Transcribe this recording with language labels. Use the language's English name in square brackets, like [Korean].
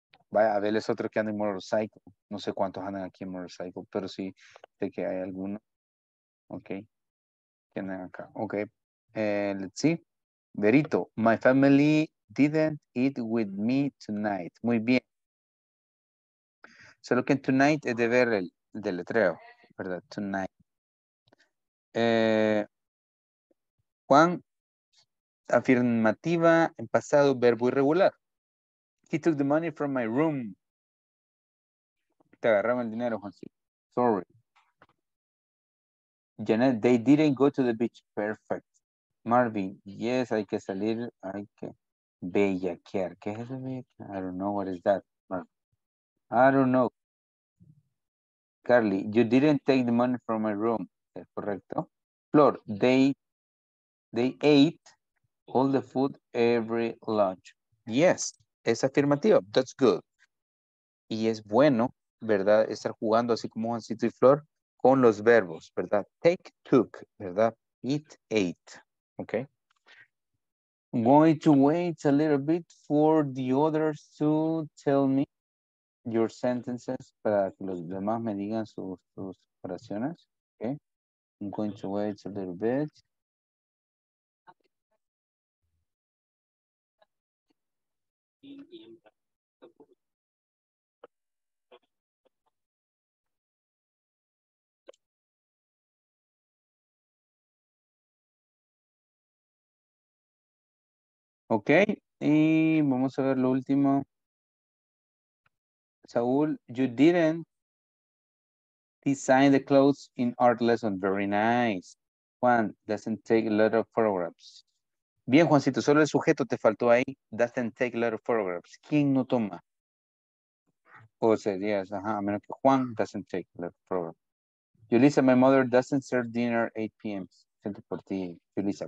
[Spanish] Vaya, a ver, es otro que anda en motorcycle. No sé cuántos andan aquí en motorcycle, pero sí sé que hay alguno. Ok, que andan acá. Ok, [English] let's see. Verito, my family didn't eat with me tonight. [Spanish] Muy bien. Solo que tonight es de ver el deletreo, ¿verdad? [English] Tonight. [Spanish] Juan, afirmativa, en pasado, verbo irregular. [English] He took the money from my room. [Spanish] Te agarraron el dinero, [English] Juan. Sorry. Janet, they didn't go to the beach. Perfect. Marvin, yes, [Spanish] hay que salir. Hay que bellaquear. ¿Qué es eso? [English] I don't know what is that. Marvin. I don't know. Carly, you didn't take the money from my room. [Spanish] Es correcto. [English] Flor, they ate all the food every lunch. [Spanish] Yes, es afirmativo. [English] That's good. [Spanish] Y es bueno, ¿verdad? Estar jugando así como Juancito y Flor con los verbos, ¿verdad? [English] Take, took, ¿verdad? Eat, ate. Okay. I'm going to wait a little bit for the others to tell me your sentences [Spanish] para que los demás me digan sus oraciones. [English] Okay. I'm going to wait a little bit. [Spanish] Okay, y vamos a ver lo último. [English] Saúl, you didn't design the clothes in art lesson. Very nice. Juan, doesn't take a lot of photographs. [Spanish] Bien, Juancito, solo el sujeto te faltó ahí. [English] Doesn't take a lot of photographs. [Spanish] ¿Quién no toma? O sería, ajá, a menos que [English] Juan doesn't take a lot of photographs. Yulisa, my mother doesn't serve dinner at 8 p.m. [Spanish] Siento por ti, Yulisa.